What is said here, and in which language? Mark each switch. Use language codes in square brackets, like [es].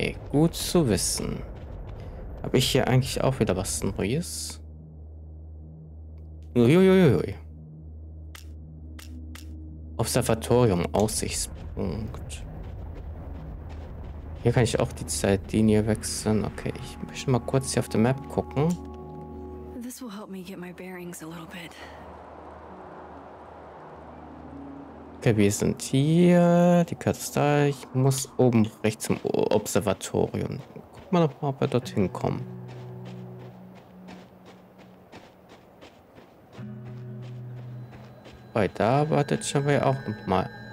[de] Gut zu wissen. Habe ich hier eigentlich auch wieder was Neues? Uiuiuiui. Observatorium, Aussichtspunkt. Hier kann ich auch die Zeitlinie wechseln. Okay, ich möchte mal kurz hier auf der Map gucken. [en] This will help me get my bearings a little bit. [de] Okay, wir sind hier, die Karte ist da, ich muss oben rechts zum Observatorium. Guck mal nochmal, ob wir dorthin kommen. Weil da wartet schon wir auch nochmal.